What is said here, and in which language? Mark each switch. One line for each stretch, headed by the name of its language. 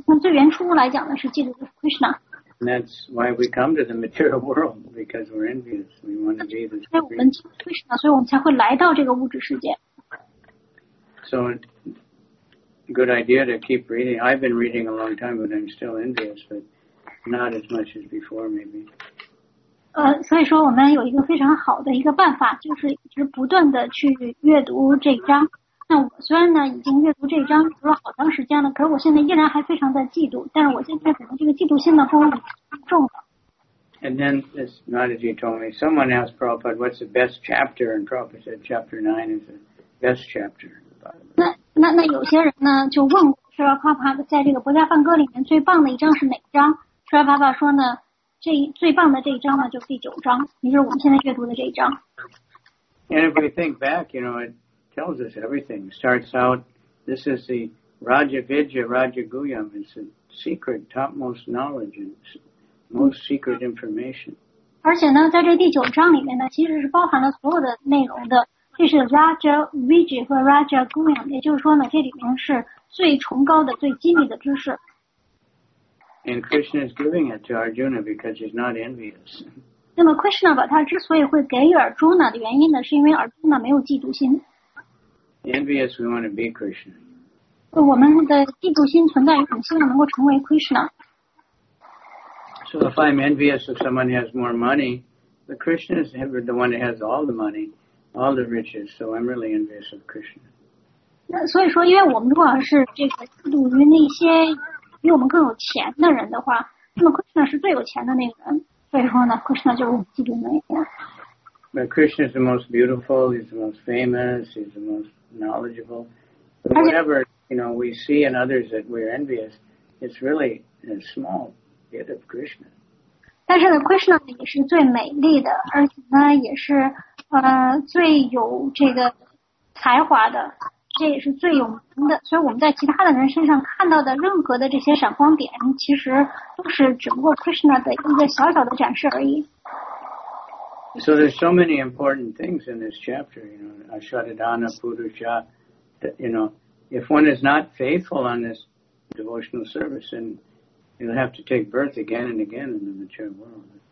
Chinese: 那最原初来讲呢，是嫉妒 Krishna.
English: And that's why we come to the material world because we're envious. We want to be the.
Chinese: 因为我们嫉妒 Krishna， 所以我们才会来到这个物质世界。
English: So, good idea to keep reading. I've been reading a long time, but I'm still envious, but not as much as before, maybe.
Chinese: 所以说我们有一个非常好的一个办法，就是一直不断的去阅读这章。那我虽然呢已经阅读这章读了好长时间了，可是我现在依然还非常的嫉妒。但是我现在可能这个嫉妒心呢不如重了。
English: And then this Nataji told me, someone asked Prabhupada, "What's the best chapter?" And Prabhupada said, "Chapter 9 is the best chapter."
Chinese: 那有些人呢就问释迦牟尼佛在这个国家梵歌里面最棒的一章是哪章，释迦牟尼佛说呢，这最棒的这一章呢就是第九章，也就是我们现在阅读的这一章。
English: And if we think back, you know, it tells us everything. It starts out, this is the Raja Vidya, Raja Guyam. It's the secret, topmost knowledge, and most secret information.
Chinese: 而且呢，在这第九章里面呢，其实是包含了所有的内容的。这是 Raja Vijay 和 Raja Guyam， 也就是说呢，这里面是最崇高的、最机密的知识。
English: And Krishna is giving it to Arjuna because he's not envious.
Chinese: 那么 Krishna 把他之所以会给予 Arjuna 的原因呢，是因为 Arjuna 没有嫉妒心。
English: Envious, we want to be Krishna.
Chinese: 我们的嫉妒心存在于我们希望能够成为 Krishna。
English: So if I'm envious of someone who has more money, the Krishna is the one who has all the money, all the riches. So I'm really envious of Krishna.
Chinese: 那所以说，因为我们如果是这个嫉妒于那些比我们更有钱的人的话，那么 Krishna 是最有钱的那个人。所以说呢 ，Krishna 就是我们嫉妒的那个人。
English: But Krishna is the most beautiful. He's the most famous. He's the most knowledgeable. But whatever you know, we see in others that we're envious. It's really a small bit of Krishna.
Chinese: 但是呢 ，Krishna 也是最美丽的，而且呢，也是最有这个才华的，这也是最有名的。所以我们在其他的人身上看到的任何的这些闪光点，其实都是只不过 Krishna 的一个小小的展示而已。
English: So there's so many important things in this chapter, you know, Ashwadana, Purusha, you know, if one is not faithful on this devotional service, then you'll have to take birth again and again in the material world.